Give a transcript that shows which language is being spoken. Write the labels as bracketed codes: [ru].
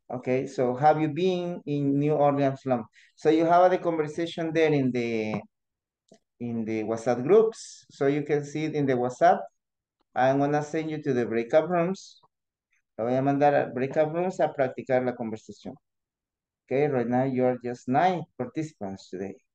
[en] Okay, so have you been in New Orleans long? So you have the conversation there in the in the WhatsApp groups, so you can see it in the WhatsApp. I'm gonna send you to the breakout rooms. [es] Lo voy a mandar a breakout rooms a practicar la conversación. [en] Okay, right now you are just 9 participants today.